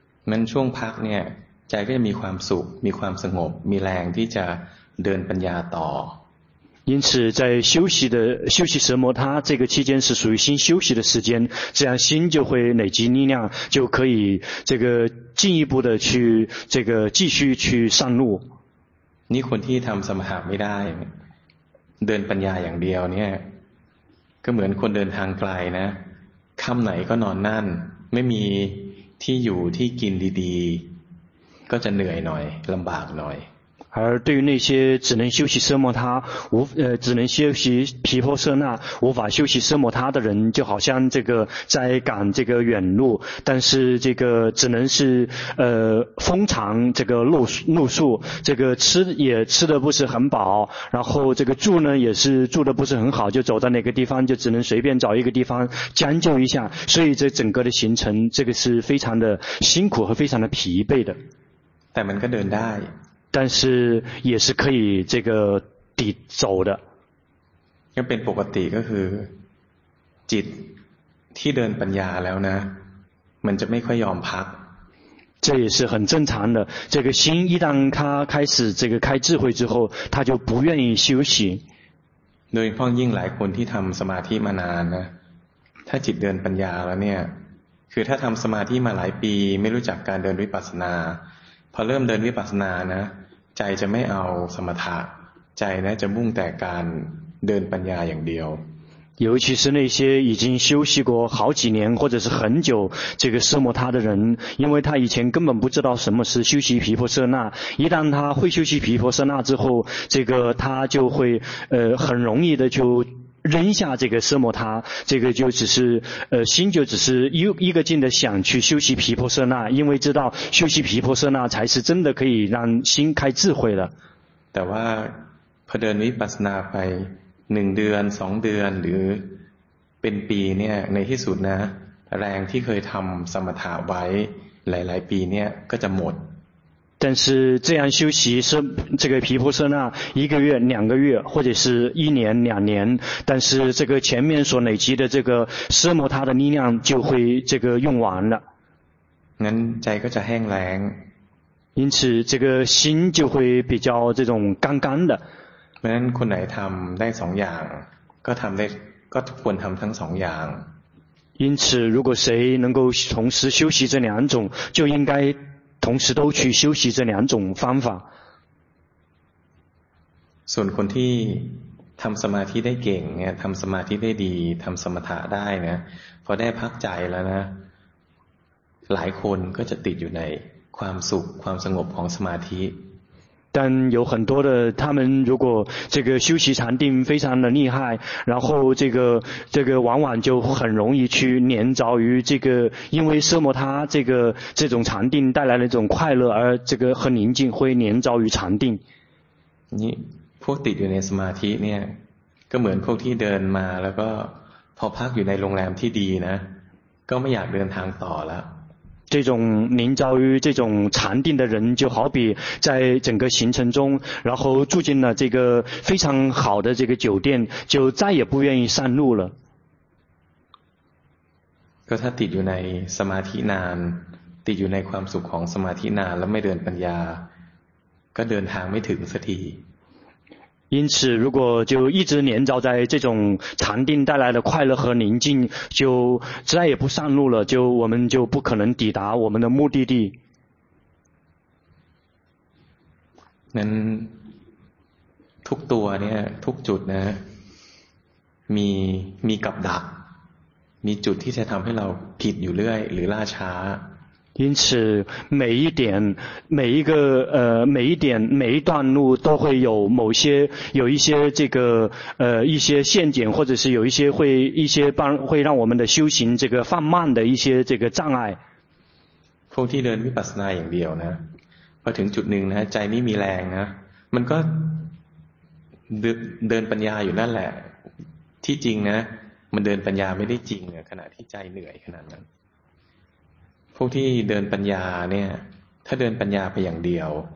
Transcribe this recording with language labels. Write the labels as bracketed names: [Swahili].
[Thai] มันช่วงพักเนี่ยใจก็จะมีความสุขมีความสงบมีแรงที่จะเดินปัญญาต่อ [Chinese] 因此在休息奢摩他这个期间是属于心休息的时间这样心就会累积力量就可以这个进一步的去这个继续去上路 [Thai] นี่คนที่ทำสมถะไม่ได้เดินปัญญาอย่างเดียวเนี่ยก็เหมือนคนเดินทางไกลนะ ค่ำไหนก็นอนนั่นไม่มีที่อยู่ที่กินดีๆก็จะเหนื่อยหน่อยลำบากหน่อย [Chinese] 而对于那些只能修习奢摩他无只能修习毗婆舍那无法修习奢摩他的人，就好像这个在赶这个远路，但是这个只能是风长这个露宿，这个吃也吃的不是很饱，然后这个住呢也是住的不是很好，就走到哪个地方就只能随便找一个地方将就一下，所以这整个的行程这个是非常的辛苦和非常的疲惫的。但我们可以走到。但是也是可以这个抵走的。那变 [Thai] ปกติก็คือจิตที่เดินปัญญาแล้วนะมันจะไม่ค่อยยอมพัก。 [Chinese] 这也是很正常的，这个心一旦他开始这个开智慧之后，他就不愿意休息。 [Thai] โดยพ้องยิ่งหลายคนที่ทำสมาธิมานานนะถ้าจิตเดินปัญญาแล้วเนี่ยคือถ้าทำสมาธิมาหลายปีไม่รู้จักการเดินวิปัสสนาพอเริ่มเดินวิปัสสนานะใจจะไม่เอาสมถะใจนะจะมุ่งแต่การเดินปัญญาอย่างเดียว [Chinese] 尤其是那些已经修习过好几年或者是很久这个奢摩他的人，因为他以前根本不知道什么是修习毗婆舍那，一旦他会修习毗婆舍那之后，这个他就会很容易的就扔下这个奢摩他，这个就只是心就只是一个劲的想去修习毗婆舍那，因为知道修习毗婆舍那才是真的可以让心开智慧的。 [Thai] แต่ว่าพอเดินวิปัสสนาไปหนึ่งเดือนสองเดือนหรือเป็นปีเนี่ยในที่สุดนะแรงที่เคยทำสมถะไว้หลายๆปีเนี่ยก็จะหมด [Chinese] 但是这样修习是这个毗婆舍那一个月两个月或者是一年两年，但是这个前面所累积的这个奢摩他的力量就会这个用完了。 [Thai] งั้นใจก็จะแห้งแรง。 [Chinese] 因此这个心就会比较这种干干的。 [Thai] เพราะนั้นคนไหนทำได้สองอย่างก็ทำได้ก็ควรทำทั้งสองอย่าง。 [Chinese] 因此如果谁能够同时修习这两种，就应该同时都去修习这两种方法。 [Thai] ส่วนคนที่ทำสมาธิได้เก่งเนี่ยทำสมาธิได้ดีทำสมถะได้นะพอได้พักใจแล้วนะหลายคนก็จะติดอยู่ในความสุขความสงบของสมาธิ [Chinese] 但有很多的他们如果这个修习禅定非常的厉害，然后这个往往就很容易去黏着于这个，因为奢摩他这种禅定带来的这种快乐，而这个很宁静会黏着于禅定。 [Thai] 你พวกติดอยู่ในสมาธิเนี่ยก็เหมือนพวกที่เดินมาแล้วก็พอพักอยู่ในโรงแรมที่ดีนะก็ไม่อยากเดินทางต่อแล้ว [Chinese] 这种凝着于这种禅定的人，就好比在整个行程中，然后住进了这个非常好的这个酒店，就再也不愿意上路了。 [Thai] ก็ถ้าติดอยู่ในสมาธินานติดอยู่ในความสุขของสมาธินานแล้วไม่เดินปัญญาก็เดินทางไม่ถึงสักที。 [Chinese] 因此如果就一直黏着在这种禅定带来的快乐和宁静，就再也不上路了，就我们就不可能抵达我们的目的地。 [Thai] นั้นทุกตัวเนี่ยทุกจุดนะมีกับดักมีจุดที่จะทำให้เราผิดอยู่เรื่อยหรือล่าช้า [Chinese] 因此每一点每一个每一点每一段路都会有某些有一些这个一些陷阱，或者是有一些会一些帮会让我们的修行这个放慢的一些这个障碍。 [Thai] พวกที่เดินวิปัสสนาอย่างเดียวนะพอถึงจุดหนึ่งนะใจไม่มีแรงนะมันก็เดินปัญญาอยู่นั่นแหละที่จริงนะมันเดินปัญญาไม่ได้จริงขณะที่ใจเหนื่อยขนาดนั้นพวกที่เดินปัญญาเนี่ยถ้าเดินปัญญาไปอย่างเดียว